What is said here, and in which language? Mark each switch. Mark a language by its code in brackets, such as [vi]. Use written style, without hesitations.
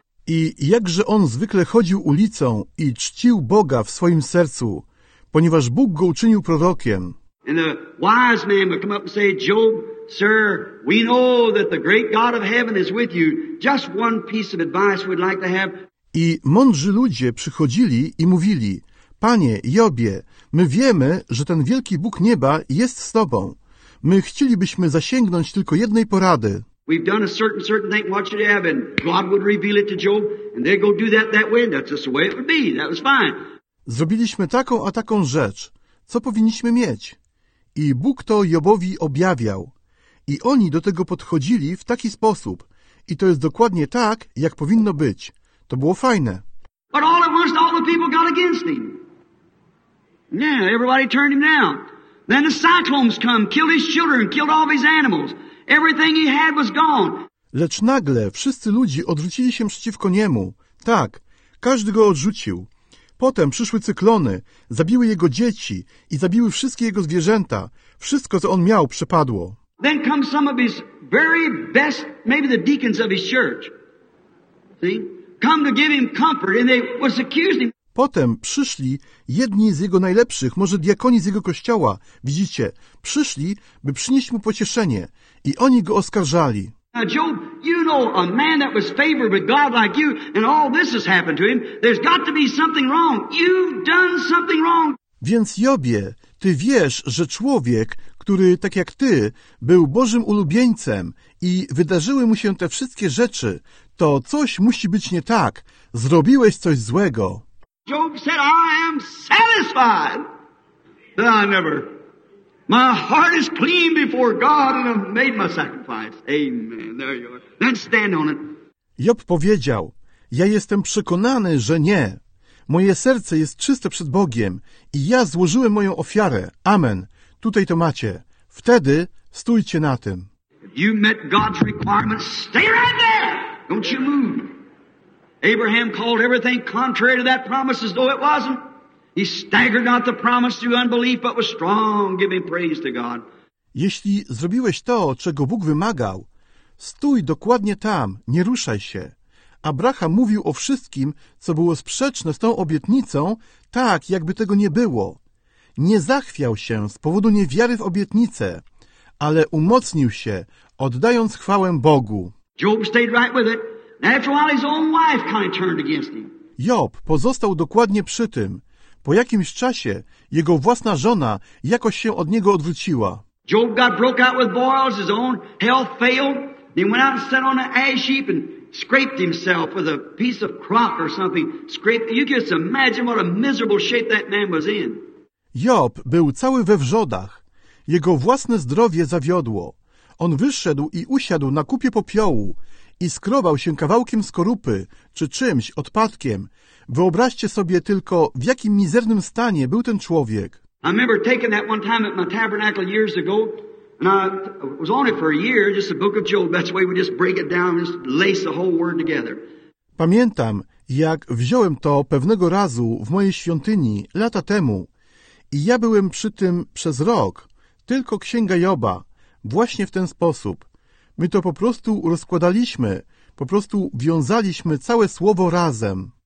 [pl] I jakże on zwykle chodził ulicą i czcił Boga w swoim sercu, ponieważ Bóg go uczynił prorokiem. [en] And the wise man would come up and say, Job, sir, we know that the great God of heaven is with you. Just one piece of advice we'd like to have. [pl] I mądrzy ludzie przychodzili i mówili, Panie Jobie, my wiemy, że ten wielki Bóg nieba jest z Tobą. My chcielibyśmy zasięgnąć tylko jednej porady. [en] We've done a certain thing, what should have, and God would reveal it to Job, and they'd go do that way, and that's just the way it would be. That was fine. [pl] Zrobiliśmy taką a taką rzecz. Co powinniśmy mieć? I Bóg to Jobowi objawiał. I oni do tego podchodzili w taki sposób. I to jest dokładnie tak, jak powinno być. To było fajne. [en] But all at once all the people got against him. Yeah, everybody turned him down. Then the cyclones come, killed his children, killed all his animals. Everything he had was gone. [pl] Lecz nagle wszyscy ludzie odwrócili się przeciwko niemu. Tak, każdy go odrzucił. Potem przyszły cyklony, zabiły jego dzieci i zabiły wszystkie jego zwierzęta. Wszystko, co on miał, przepadło. [en] Then come some of his very best, maybe the deacons of his church. See? Come to give him comfort, and they was accusing him. [pl] Potem przyszli jedni z jego najlepszych, może diakoni z jego kościoła, widzicie, przyszli, by przynieść mu pocieszenie i oni go oskarżali. [en] Now Job, you know a man that was favored with God like you, and all this has happened to him. There's got to be something wrong. You've done something wrong. [pl] Więc Jobie, ty wiesz, że człowiek, który tak jak ty, był Bożym ulubieńcem i wydarzyły mu się te wszystkie rzeczy, to coś musi być nie tak. Zrobiłeś coś złego. [en] Job said, I am satisfied. But I never... My heart is clean before God and I've made my sacrifice. Amen. There you are. Then stand on it. [pl] Job powiedział, ja jestem przekonany, że nie. Moje serce jest czyste przed Bogiem i ja złożyłem moją ofiarę. Amen. Tutaj to macie. Wtedy stójcie na tym. [en] If you met God's requirements, stay right there. Don't you move. Abraham called everything contrary to that promise as though it wasn't. He staggered not the promise through unbelief, but was strong, giving praise to God. [pl] Jeśli zrobiłeś to, czego Bóg wymagał, stój dokładnie tam, nie ruszaj się. Abraham mówił o wszystkim, co było sprzeczne z tą obietnicą, tak, jakby tego nie było. Nie zachwiał się z powodu niewiary w obietnicę, ale umocnił się, oddając chwałę Bogu. [en] Job stayed right with it. After a while his own wife kind of turned against him. [pl] Job pozostał dokładnie przy tym. Po jakimś czasie jego własna żona jakoś się od niego odwróciła. [en] Job got broke out with boils, his own health failed. He went out and sat on an ash heap and scraped himself with a piece of crock or something. Scraped. You can just imagine what a miserable shape that man was in. [pl] Job był cały we wrzodach. Jego własne zdrowie zawiodło. On wyszedł i usiadł na kupie popiołu i skrobał się kawałkiem skorupy czy czymś, odpadkiem. Wyobraźcie sobie tylko, w jakim mizernym stanie był ten człowiek. [en] I remember taking that one time at my tabernacle years ago, and I was on it for a year, just the book of Job. That's the way we just break it down, just lace the whole word together. [pl] Pamiętam, jak wziąłem to pewnego razu w mojej świątyni lata temu, i ja byłem przy tym przez rok, tylko księga Joba, właśnie w ten sposób. My to po prostu rozkładaliśmy, po prostu wiązaliśmy całe słowo razem.